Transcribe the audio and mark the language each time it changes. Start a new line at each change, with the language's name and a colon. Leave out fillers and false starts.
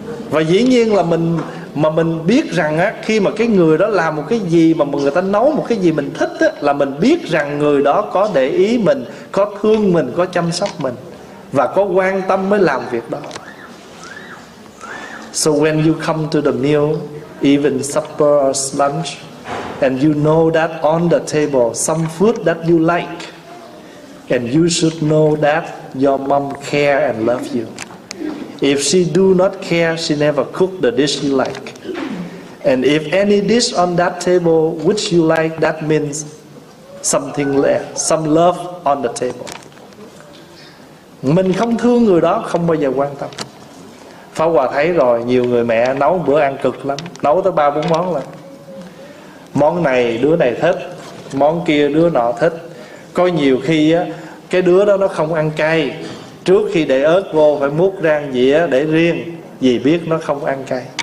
Vietnamese: Và dĩ nhiên là mình, mà mình biết rằng á, khi mà cái người đó làm một cái gì mà người ta nấu một cái gì mình thích á, là mình biết rằng người đó có để ý mình, có thương mình, có chăm sóc mình và có quan tâm mới làm việc đó.
English: So when you come to the meal, even supper or lunch, and you know that on the table some food that you like, and you should know that your mom care and love you. If she do not care, she never cook the dish you like. And if any dish on that table which you like, that means something left, some love on the table.
Vietnamese: Mình không thương người đó không bao giờ quan tâm. Pháp Hòa thấy rồi, nhiều người mẹ nấu bữa ăn cực lắm, nấu tới 3-4 món lần. Món này đứa này thích, món kia đứa nọ thích. Có nhiều khi á, cái đứa đó nó không ăn cay, trước khi để ớt vô phải múc ra dĩa để riêng, vì biết nó không ăn cay.